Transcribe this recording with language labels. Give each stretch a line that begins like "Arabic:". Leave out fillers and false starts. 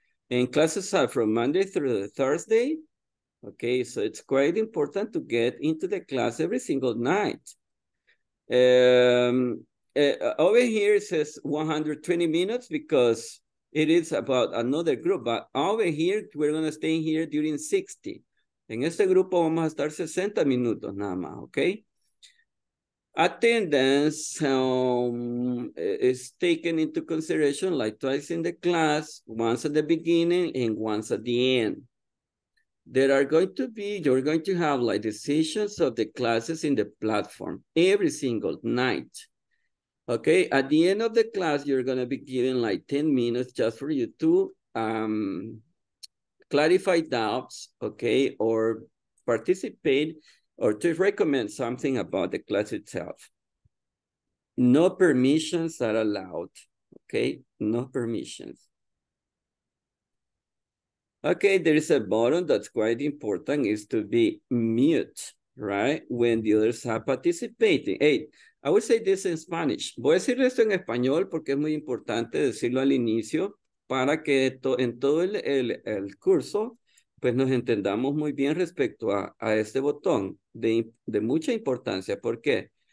English: And classes are from Monday through Thursday. Okay, so it's quite important to get into the class every single night. Over here it says 120 minutes because it is about another group, but over here we're gonna stay here during 60.
Spanish: En este grupo vamos a estar 60 minutos nada más, okay?
English: Attendance is taken into consideration like twice in the class, once at the beginning and once at the end. There are going to be, you're going to have like decisions of the classes in the platform every single night, okay? At the end of the class, you're gonna be given like 10 minutes just for you to clarify doubts, okay, or participate or to recommend something about the class itself. No permissions are allowed, okay? No permissions. Okay, there is a button that's quite important, is to be mute, right? When the others are participating. Hey, I will say this in Spanish.
Spanish: Voy a decir esto en español porque es muy importante decirlo al inicio. Para que en todo el curso, pues nos entendamos muy bien respecto a este botón de mucha importancia. ¿Por qué?